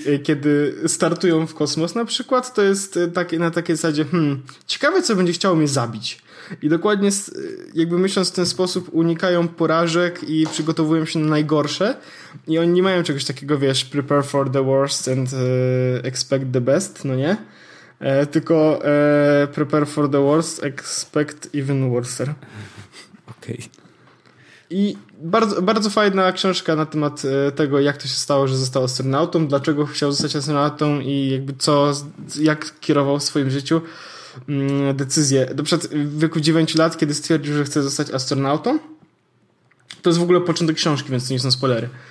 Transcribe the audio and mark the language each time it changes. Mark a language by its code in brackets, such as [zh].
[pl] Okay. I kiedy startują w kosmos na przykład, to jest na takiej zasadzie, ciekawe co będzie chciało mnie zabić. I dokładnie jakby myśląc w ten sposób, unikają porażek i przygotowują się na najgorsze. I oni nie mają czegoś takiego, wiesz, [en] prepare for the worst and expect the best, [pl] no nie? Tylko [en] prepare for the worst, expect even worser. [pl] Okej. Okay. I bardzo, bardzo fajna książka na temat tego, jak to się stało, że został astronautą, dlaczego chciał zostać astronautą i jakby co, jak kierował w swoim życiu decyzję. Na przykład w wieku 9 lat, kiedy stwierdził, że chce zostać astronautą, to jest w ogóle początek książki, więc to nie są spoilery.